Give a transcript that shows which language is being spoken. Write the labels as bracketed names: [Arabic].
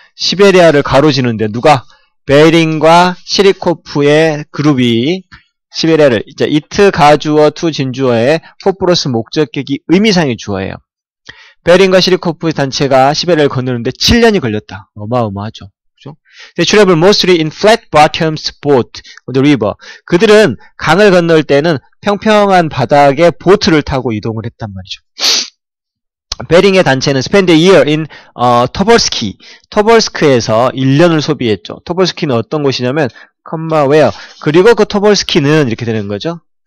[Korean] 시베리아를 가로지는데 누가? 베링과 시리코프의 그룹이 시베리아를. 이제 it 가주어 to 진주어의 for plus 목적격이 의미상의 주어예요. 베링과 시리코프의 단체가 시베리아를 건너는데 7년이 걸렸다. 어마어마하죠. 그죠? [English] They travel mostly in flat-bottomed boat on the river. [Korean] 그들은 강을 건널 때는 평평한 바닥에 보트를 타고 이동을 했단 말이죠. 베링의 단체는 [English] spend a year in Tobolsk. [Korean] Tobolsk에서 1년을 소비했죠. Tobolsk는 어떤 곳이냐면, comma where. 그리고 그 Tobolsk는 이렇게 되는 거죠.